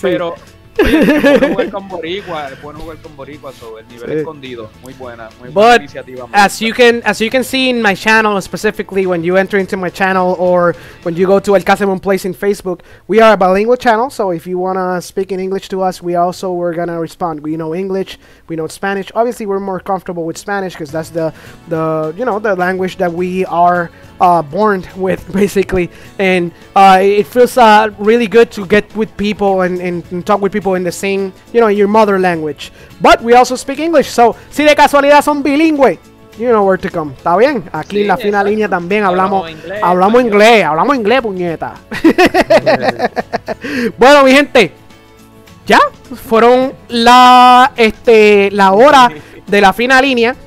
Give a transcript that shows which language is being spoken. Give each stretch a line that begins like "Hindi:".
Spanish: Pero, oye, es bueno jugar con boricua, el nivel escondido, muy buena iniciativa.
English: As you can see in my channel, specifically when you enter into my channel or when you go to El Casemon Place in Facebook, we are a bilingual channel, so if you want to speak in English to us, we're going to respond. We know English, we know Spanish. Obviously, we're more comfortable with Spanish because that's the language that we are born with, basically. And it feels really good to get with people and talk with people in the same, you know, your mother language. But we also speak English, so
Spanish: si de casualidad son bilingüe,
English: you know where to come.
Spanish: ¿Está bien? Aquí en la fina línea también hablamos inglés, puñeta. Bueno, mi gente, ya fueron la hora de la fina línea.